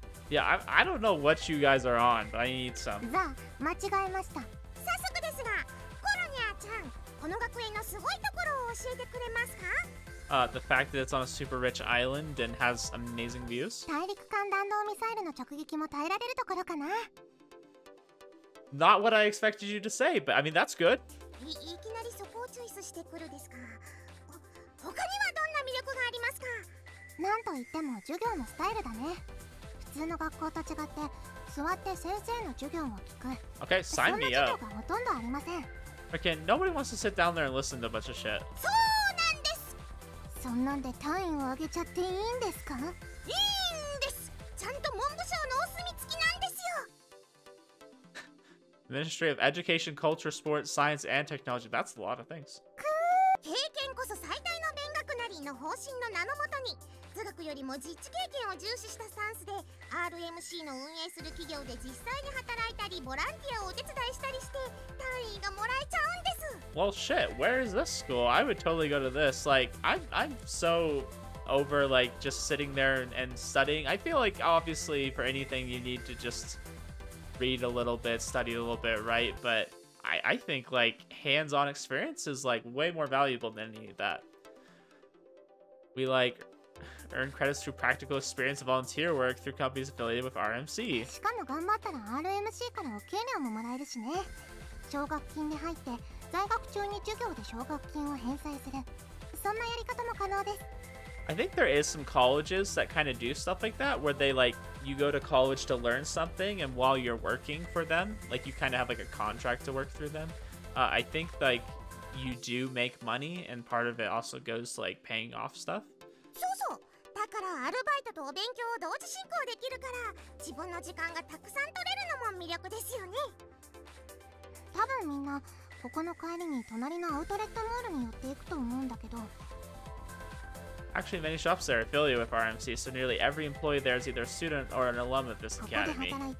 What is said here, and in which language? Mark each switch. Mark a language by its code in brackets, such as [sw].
[en] Yeah, I don't know what you guys are on, but I need some. [ja] ザ、間違えました。早速ですが、コロニャちゃん。この学園のすごいところを教えてくれますか？ [en] The fact that it's on a super rich island and has amazing views? [ja] 大陸間弾道ミサイルの直撃も耐えられるところかな？ [en] Not what I expected you to say, but I mean, that's good. [ja] いきなりそこをチョイスしてくるですか？他にはどんな魅力がありますか？なんといっても授業のスタイルだね。普通の学校と違って座って先生の授業を聞く。 [en] Okay, sign me up. [ja] そんな授業がほとんどありません。 [en] Okay, nobody wants to sit down there and listen to a bunch of shit. [ja] そうなんです。そんなんで単位を上げちゃっていいんですか？いいんです。ちゃんと文部省のお墨付きなんですよ。 [en] Ministry of Education, Culture, Sports, Science, and Technology. That's a lot of things. [ja] 経験こそ最大の勉学なりの方針の名のもとに、図学よりも実地経験を重視したスタンスで、RMC の運営する企業で実際に働いたり、ボランティアをお手伝いしたりして、単位がもらえちゃうんです。 [en] Well, shit, where is this school? I would totally go to this. Like, I'm so over like just sitting there and studying. I feel like obviously for anything you need to just read a little bit, study a little bit, right? But I think like hands-on experience is like way more valuable than any of that. We like earn credits through practical experience and volunteer work through companies affiliated with RMC. [ja] しかも頑張ったら RMC からお給料ももらえるしね。奨学金に入って在学中に授業で奨学金を返済する。そんなやり方も可能です。 [en] I think there is some colleges that kind of do stuff like that, where they like, you go to college to learn something, and while you're working for them, like you kind of have like a contract to work through them. I think like you do make money, and part of it also goes to like paying off stuff. [ja] そうそう。だからアルバイトとお勉強を同時進行できるから、自分の時間がたくさん取れるのも魅力ですよね。多分みんなここの帰りに隣のアウトレットモールに寄っていくと思うんだけど、 [en] Actually, many shops there are affiliated with RMC, so nearly every employee there is either a student or an alum of this academy.